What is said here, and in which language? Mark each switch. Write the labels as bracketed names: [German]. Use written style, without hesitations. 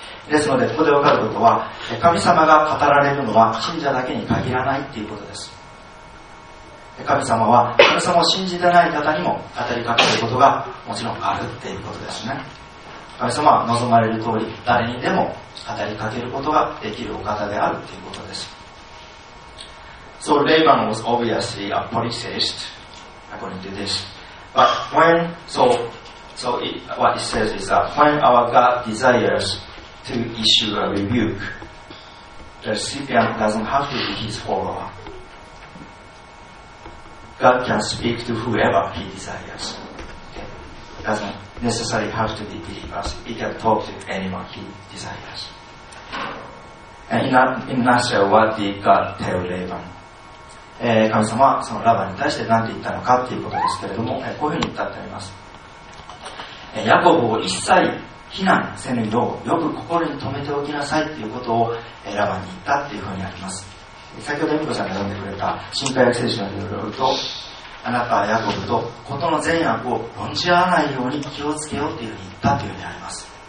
[Japanese] ですので、ここで分かることは、神様が語られるのは信者だけに限らないということです。神様は、神様を信じてない方にも語りかけることがもちろんあるということですね。神様は望まれる通り、誰にでも語りかけることができるお方であるということです。 [English] So Laban was obviously a polytheist according to this. But when, so it, what it says is that when our God desires to issue a rebuke, the recipient doesn't have to be his follower. God can speak to whoever he desires. Doesn't necessarily have to be believers. He can talk to anyone he desires. And in nutshell, what did God tell Laban? [Japanese] 神様はそのラバンに対して何て言ったのかということですけれども、こういうふうに言ったってあります。ヤコブを一切非難せぬよう、よく心に留めておきなさいということをラバンに言ったっていうふうにあります。先ほど美子さんが読んでくれた新改訳聖書によると、あなたはヤコブと事の善悪を論じ合わないように気をつけようというふうに言ったというふうにあります。